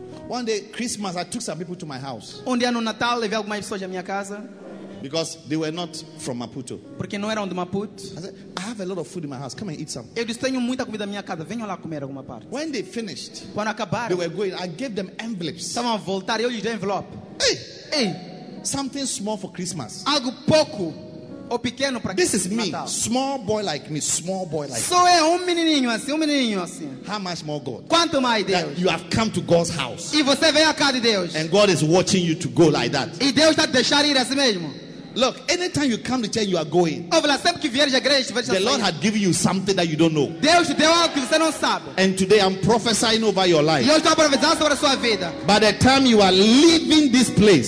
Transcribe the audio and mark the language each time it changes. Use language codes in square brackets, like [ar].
[en] One day Christmas, I took some people to my house. [pt] Um dia no Natal, levei algumas pessoas à minha casa. [en] Because they were not from Maputo. [pt] Porque não eram de Maputo. [en] I said, I have a lot of food in my house. Come and eat some. [pt] Eu disse, tenho muita comida na minha casa. Venham lá comer alguma parte. [en] When they finished, [pt] quando acabaram, [en] they were going. I gave them envelopes. [pt] Estavam a voltar. Eu lhes dei envelope. [en] Hey! Something small for Christmas. [pt] Algo pouco ou pequeno para [en] Christmas. This is me. Natal. Small boy like me. Small boy like me. [pt] Só é menininho assim. Menininho assim. [en] How much more God? [pt] Quanto mais Deus? [en] That you have come to God's house. [pt] E você vem à casa de Deus. [en] And God is watching you to go like that. [pt] E Deus está deixando ir assim mesmo. [en] Look, anytime you come to church, you are going. The Lord had given you something that you don't know. [pt] Deus te deu algo que você não sabe. [en] And today I'm prophesying over your life. [pt] E eu estou a profetizar sobre a sua vida. [en] By the time you are leaving this place,